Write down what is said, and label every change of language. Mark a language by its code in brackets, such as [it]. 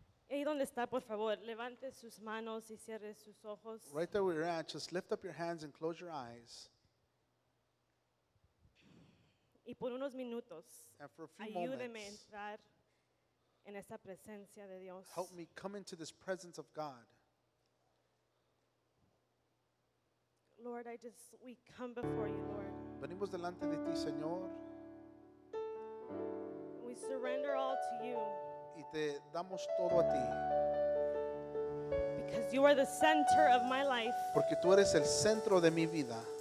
[es] Ahí donde está, por favor, levante sus manos y cierre sus ojos. [en] Right there where you're at, just lift up your hands and close your eyes. [es] Y por unos minutos, [en] and for a few [es] ayúdeme [en] moments, [es] a entrar en esta presencia de Dios. [en] Help me come into this presence of God. Lord, I just, we come before you, Lord. [es] Venimos delante de ti, Señor. [en] We surrender all to you. [es] Y te damos todo a ti. [en] Because you are the center of my life. [es] Porque tú eres el centro de mi vida.